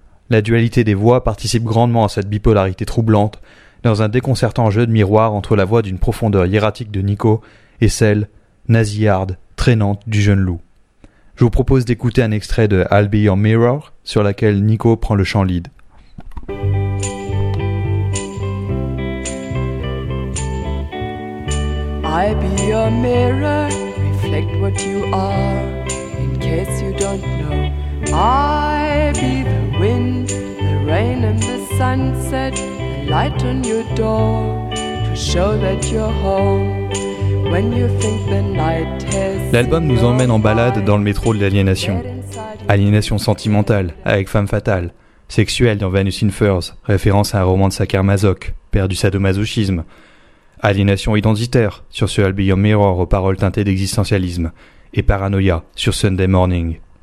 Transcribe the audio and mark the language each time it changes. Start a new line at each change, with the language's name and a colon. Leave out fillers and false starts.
French: La dualité des voix participe grandement à cette bipolarité troublante, dans un déconcertant jeu de miroir entre la voix d'une profondeur hiératique de Nico et celle, nasillarde, traînante du jeune loup. Je vous propose d'écouter un extrait de I'll Be Your Mirror, sur laquelle Nico prend le chant lead.
English: I'll be your mirror, reflect what you are, in case you don't know. I'll be the wind, the rain and the sunset. Light on your door to show that you're home when you think the night has.
French: L'album nous emmène en balade dans le métro de l'aliénation. Aliénation sentimentale, avec femme fatale, sexuelle dans Venus in Furs, référence à un roman de Sacher Masoch, père du sadomasochisme. Aliénation identitaire, sur ce I'll Be Your Mirror aux paroles teintées d'existentialisme, et paranoïa, sur Sunday Morning.